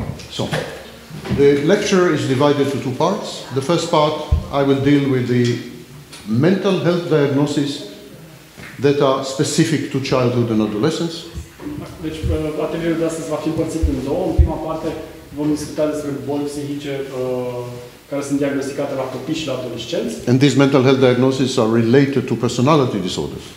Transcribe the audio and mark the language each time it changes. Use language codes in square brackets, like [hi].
[en] So, the lecture is divided into two parts. The first part, I will deal with the mental health diagnoses that are specific to childhood and adolescence. [ro] Deci, atelierul de astăzi va fi împărțit în două. În prima parte, vom discuta despre boli psihice care sunt diagnosticate la copii și la adolescenți. [en] And these mental health diagnoses are related to personality disorders.